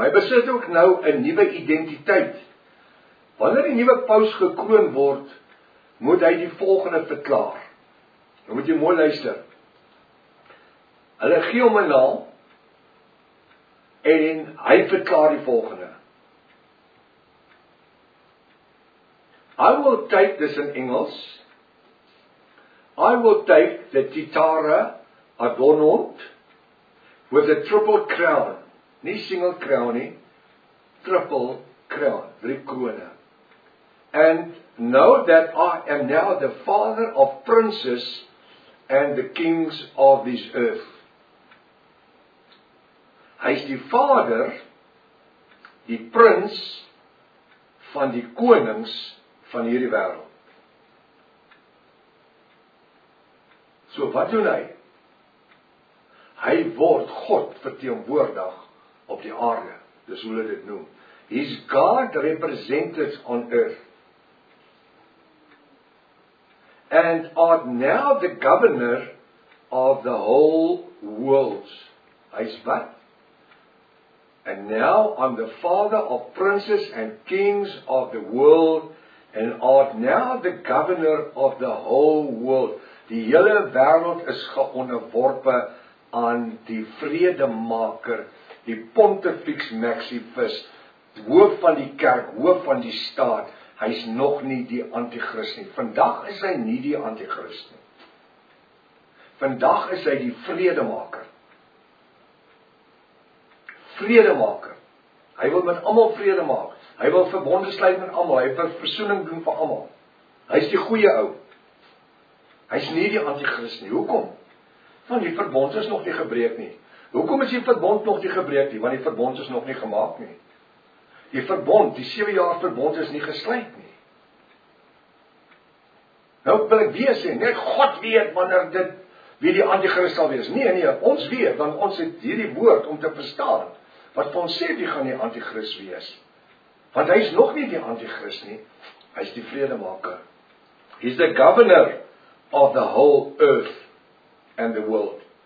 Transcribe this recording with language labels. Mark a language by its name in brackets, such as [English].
[Afrikaans] Hy besit ook nou 'n nuwe identiteit. Wanneer die nuwe paus gekroon word, moet hy die volgende verklaar. Nou moet jy mooi luister. Hulle gee hom 'n naam en hy verklaar die volgende. [English] I will take, [Afrikaans] dis in Engels, [English] I will take the titare adornment with a triple crown. [Afrikaans] Nie single crown nie, triple crown, drie krone. [English] And know that I am now the father of princes and the kings of this earth. [Afrikaans] Hy is die vader, die prins van die konings van hierdie wêreld. So wat doen hy? Hy word God verteenwoordig op die aarde, dis hoe hulle dit noem. [English] He's God represented on earth. And art now the governor of the whole world. [Afrikaans] Hy's wat? [English] And now I'm the father of princes and kings of the world and art now the governor of the whole world. [Afrikaans] Die hele wêreld is geonderworpe aan die vredemaker, die Pontifex Maximus, hoof van die kerk, hoof van die staat, hy's nog nie die anti-kris nie. Vandag is hy nie die anti-kris nie. Vandag is hy die vredemaker. Vredemaker. Hy wil met almal vrede maak. Hy wil verbonde sluit met almal. Hy wil versoening doen vir almal. Hy's die goeie ou. Hy's nie die anti-kris nie. Hoekom? Want die verbond is nog nie gebreek nie. Hoekom is die verbond nog nie gebreek nie? Want die verbond is nog nie gemaak nie. Die verbond, die 7 jaar verbond is nie gesluit nie. Nou wil ek weer sê, net God weet wanneer dit, wie die antichrist sal wees. Nee, nee, ons weet, want ons het hierdie woord om te verstaan, wat van ons sê, wie gaan die antichrist wees. Want hy is nog nie die antichrist nie, hy is die vredemaker. [English] He is the governor of the whole earth and the world.